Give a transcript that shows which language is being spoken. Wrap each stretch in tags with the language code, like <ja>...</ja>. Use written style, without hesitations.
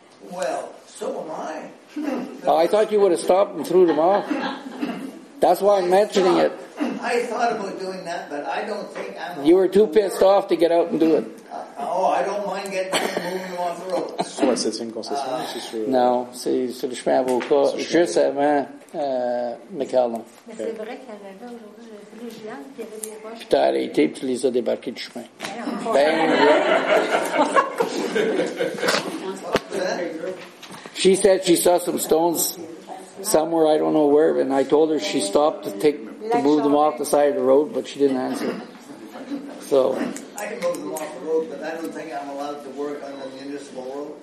<en>Well. So am I. I thought you would have stopped and threw them off. That's why I'm mentioning it. I thought about doing that, but I don't think I'm... You were too pissed off to get out and do it. I don't mind getting moving off the road.</en> <fr>No, c'est sur le chemin à Boca, juste avant McCallum. Mais c'est vrai qu'il y avait des roches. Puis t'as arrêté, puis tu les as débarqués du chemin.</fr> <en>Ben, she said she saw some stones somewhere, I don't know where, and I told her she stopped to move them off the side of the road, but she didn't answer. So I can move them off the road, but I don't think I'm allowed to work on the municipal road.</en>